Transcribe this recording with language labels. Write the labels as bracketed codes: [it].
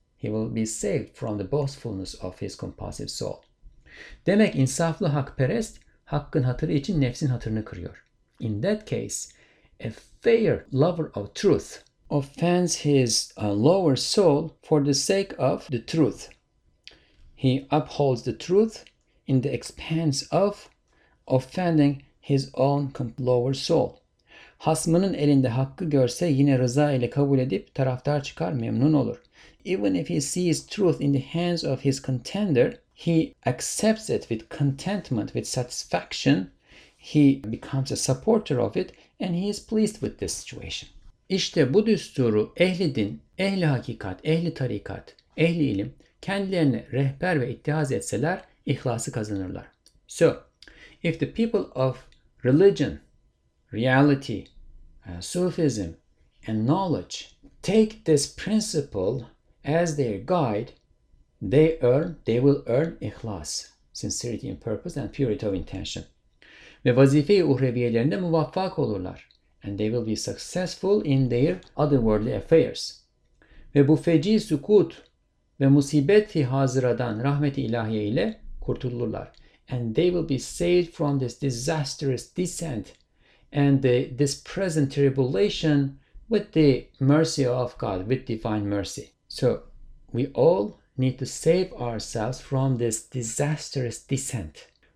[en] He will be saved from the boastfulness of his compulsive soul. [tr] Demek insaflı hakperest, hakkın hatırı için nefsin hatırını kırıyor. [en] In that case, a fair lover of truth offends his lower soul for the sake of the truth. He upholds the truth in the expense of offending his own lower soul. [tr] Hasmının elinde hakkı görse yine rıza ile kabul edip taraftar çıkar, memnun olur. [en] Even if he sees truth in the hands of his contender, he accepts it with contentment, with satisfaction. He becomes a supporter of it and he is pleased with this situation. [tr] İşte bu düsturu ehli din, ehli hakikat, ehli tarikat, ehli ilim kendilerine rehber ve ittihaz etseler ihlası kazanırlar. [en] So, if the people of religion, reality, Sufism, and knowledge take this principle as their guide, they will earn ihlas, sincerity in purpose and purity of intention. [tr] Ve vazife-i uhreviyelerinde muvaffak olurlar. [en] And they will be successful in their otherworldly affairs. [tr] Ve bu feci sukut ve musibet-i haziradan rahmet-i ilahiye ile kurtulurlar. [en] And they will be saved from this disastrous descent and this present tribulation with the mercy of God, with divine mercy. So we all need to save ourselves from this disastrous descent.